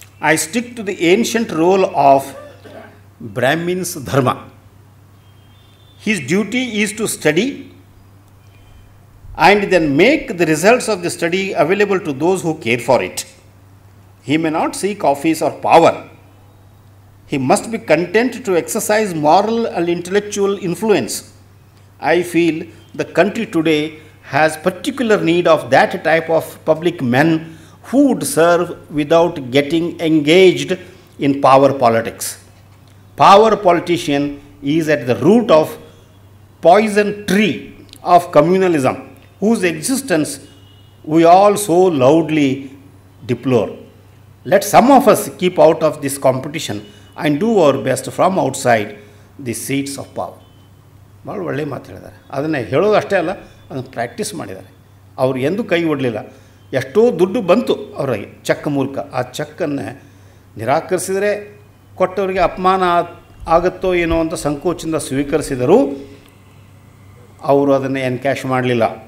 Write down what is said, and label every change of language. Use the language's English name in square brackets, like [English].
[English] I stick to the ancient role of Brahmins dharma. His duty is to study and then make the results of the study available to those who care for it. He may not seek office or power. He must be content to exercise moral and intellectual influence. I feel the country today has particular need of that type of public men who would serve without getting engaged in power politics. Power politician is at the root of poison tree of communalism whose existence we all so loudly deplore. Let some of us keep out of this competition and do our best from outside the seats of power. [Kannada] ಭಾಳ ಒಳ್ಳೆ ಮಾತು ಹೇಳಿದ್ದಾರೆ, ಅದನ್ನು ಹೇಳೋದು ಅಷ್ಟೇ ಅಲ್ಲ, ಅದನ್ನು practice ಮಾಡಿದ್ದಾರೆ. ಅವರು ಎಂದೂ ಕೈ ಒಡಲಿಲ್ಲ, ಎಷ್ಟೋ ದುಡ್ಡು ಬಂತು ಅವರಿಗೆ ಚೆಕ್ ಮೂಲಕ, ಆ ಚೆಕ್ಕನ್ನು ನಿರಾಕರಿಸಿದರೆ ಕೊಟ್ಟವರಿಗೆ ಅಪಮಾನ ಆಗುತ್ತೋ ಏನೋ ಅಂತ ಸಂಕೋಚದಿಂದ ಸ್ವೀಕರಿಸಿದರೂ ಅವರು ಅದನ್ನು ಎನ್ಕ್ಯಾಶ್ ಮಾಡಲಿಲ್ಲ.